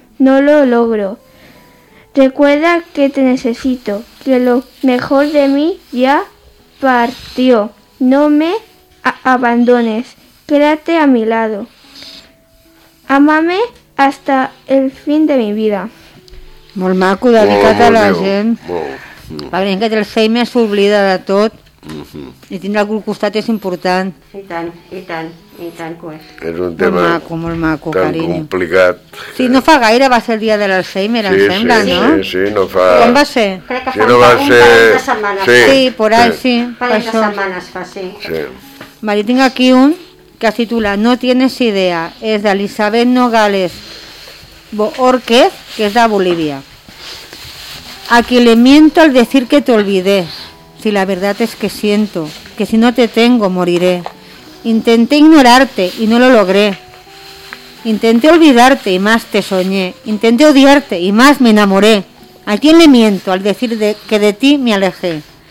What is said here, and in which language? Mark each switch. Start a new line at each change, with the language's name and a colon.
Spanish: No lo logro. Recuerda que te necesito, que lo mejor de mí ya partió. No me abandones, quédate a mi lado. Amame hasta el fin de mi vida.
Catalan: Molt maco, dedicat a la gent. Molt. La gent que té el Alzheimer s'oblida de tot. I tindre algú al costat és important. I tant, com és. És un tema molt maco, tan carini. Complicat. Sí, no fa gaire va ser el dia de l'Alzheimer, sí, em sembla, sí, no? Sí, no fa... Quan va ser? Crec que si fa no un parell ser... de setmanes.
Spanish: Sí, sí, por ahí, sí.
Catalan: Un parell de setmanes fa, sí. Sí. Vale, tinc aquí un que es titula No tienes idea, és d'Elisabet Nogales Orquez, que és de Bolívia.
Spanish: A qui le miento al decir que te olvidé, si la verdad es que siento que si no te tengo moriré. Intenté ignorarte y no lo logré. Intenté olvidarte y más te soñé. Intenté odiarte y más me enamoré. ¿A quién le miento al decir que de ti me alejé?